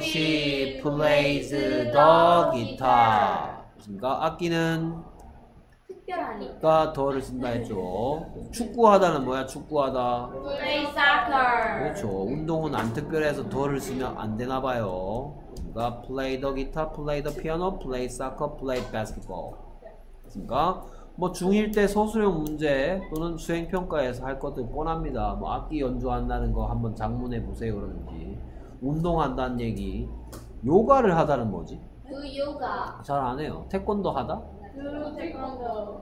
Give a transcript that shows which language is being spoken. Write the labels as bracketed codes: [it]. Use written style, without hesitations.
[en] she plays the guitar. [ko] 그렇습니까? 악기는 특별하니까 더를 쓴다 했죠. 축구하다는 뭐야? 축구하다. [en] Play soccer. [ko] 그렇죠. 운동은 안 특별해서 더를 쓰면 안 되나 봐요. 그러니까 [en] play the guitar, play the piano, play soccer, play basketball. [ko] 그러니까 뭐 중1 때 서술형 문제 또는 수행 평가에서 할 것들 뻔합니다. 뭐 악기 연주한다는 거 한번 작문해 보세요 그러든지 운동한다는 얘기. 요가를 하다는 뭐지? [en] Do yoga. [ko] 잘 안 해요. 태권도 하다? 태권도.